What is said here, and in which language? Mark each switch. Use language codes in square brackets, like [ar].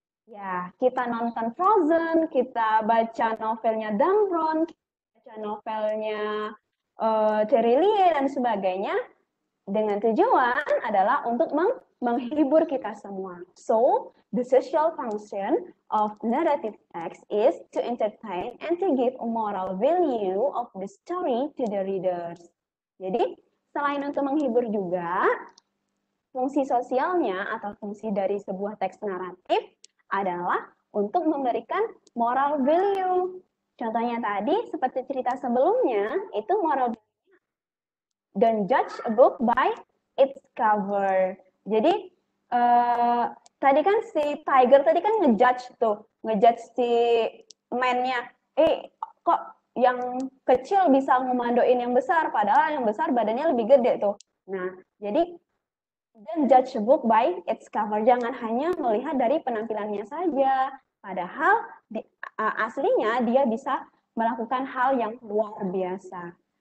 [id] Ya, kita nonton Frozen, kita baca novelnya Dan Brown, baca novelnya Terry Lie dan sebagainya dengan tujuan adalah untuk menghibur kita semua. [en] So, the social function of narrative text is to entertain and to give a moral value of the story to the readers. [id] Jadi, selain untuk menghibur juga, fungsi sosialnya atau fungsi dari sebuah teks naratif adalah untuk memberikan moral value. Contohnya tadi, seperti cerita sebelumnya, itu moral value. [en] Don't judge a book by its cover. [id] Jadi, tadi kan si Tiger tadi kan ngejudge tuh, ngejudge si man-nya. Eh, kok yang kecil bisa ngemandoin yang besar, padahal yang besar badannya lebih gede tuh. Nah, jadi [en] don't judge a book by its cover. [id] Jangan hanya melihat dari penampilannya saja. Padahal aslinya dia bisa melakukan hal yang luar biasa.